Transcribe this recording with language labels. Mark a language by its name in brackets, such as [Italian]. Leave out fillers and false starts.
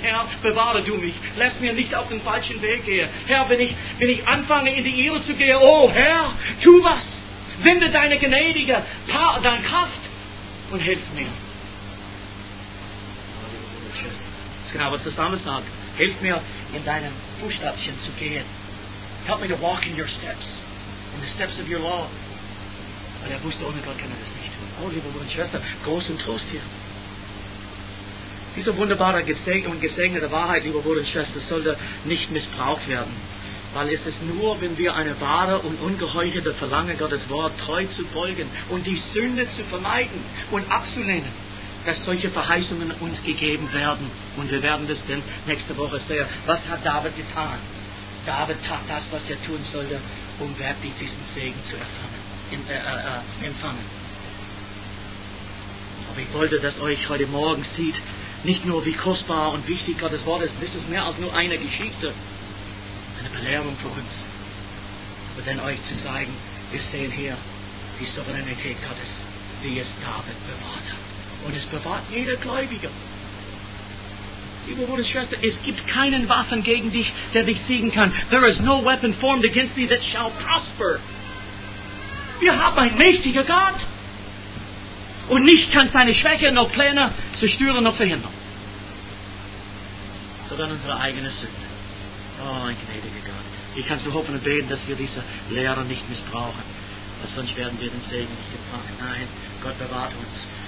[German] Herr, bewahre du mich. Lass mir nicht auf den falschen Weg gehen. Herr, wenn ich anfange, in die Irre zu gehen, oh Herr, tu was. Wende deine gnädige deine Kraft und hilf mir. Oh, liebe Bruder und Schwester, das ist genau, was der Psalm sagt. Hilf mir, in deinem Fußstapfchen zu gehen. [English] Help me to walk in your steps, in the steps of your law. [German] Und er wusste, ohne Gott kann er das nicht tun. Oh, liebe Bruder und Schwester, großen Trost hier. Diese wunderbare gesegnete Wahrheit, liebe Bruder und Schwester, sollte nicht missbraucht werden. Weil es ist nur, wenn wir eine wahre und ungeheuchelte Verlangen Gottes Wort treu zu folgen und die Sünde zu vermeiden und abzulehnen, dass solche Verheißungen uns gegeben werden. Und wir werden das dann nächste Woche sehen. Was hat David getan? David tat das, was er tun sollte, um wirklich diesen Segen zu erfangen. Empfangen. Aber ich wollte, dass euch heute Morgen sieht, nicht nur wie kostbar und wichtig Gottes Wort ist, das ist mehr als nur eine Geschichte, eine Belehrung für uns. Aber dann euch zu zeigen, wir sehen hier die Souveränität Gottes, wie es David bewahrt hat. Und es bewahrt jeder Gläubige. Liebe Bruder und Schwester, es gibt keinen Waffen gegen dich, der dich siegen kann. [English] There is no weapon formed against thee that shall prosper. [German] Wir haben einen mächtigen Gott. Und nichts kann seine Schwäche noch Pläne zerstören noch verhindern. Sogar unsere eigene Sünde. Oh, ein gnädiger Gott. Ich kann nur hoffen und beten, dass wir diese Lehre nicht missbrauchen. Weil sonst werden wir den Segen nicht empfangen. Nein, Gott bewahrt uns.